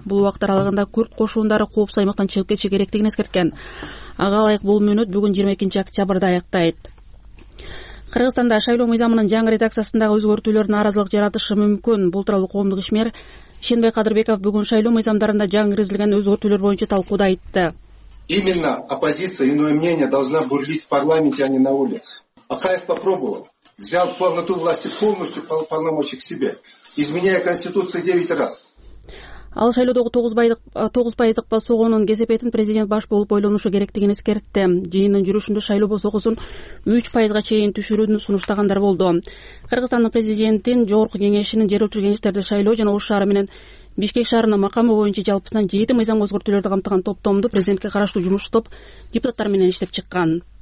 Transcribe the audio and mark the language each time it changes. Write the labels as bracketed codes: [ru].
[ky] Бул убакыт аралыгында күрд кошундары коопсуз аймактан чыгып кетиши керектигин эскерткен. Ага ылайык бул мөөнөт бүгүн 22-октябрда аяктайт. Кыргызстанда шайлоо мыйзамынын жаңы редакциясындагы өзгөртүүлөр нааразылык жаратышы мүмкүн. Бул тууралуу коомдук ишмер Ишенбай Кадырбеков бүгүн шайлоо мыйзамдарында жаңыргизилген өзгөртүүлөр боюнча талкууда айтты. [ru] Именно оппозиция иное мнение должна бурлить в парламенте, а не на улице. Акаев попробовал, взял полноту власти полностью полномочий к себе, изменяя конституцию 9 раз. [ky] Ал шайлоодогу 9% басоонун кесепетин президент баш болуп ойлонушу керектигин эскертти. Жыйындын жүрүшүндө шайлоо басоосун 3% чейин түшүрүүнү сунуштагандар болду. Кыргызстандын президентин жогорку кеңешинин жергиликтүү кеңештерди шайлоо жана Ош шаары менен Бишкек шаарынын макамы боюнча жалпысынан 7 мыйзам өзгөртүүлөрдү камтыган топтомду президентке караштуу жумуш топ депутаттар менен иштеп чыккан.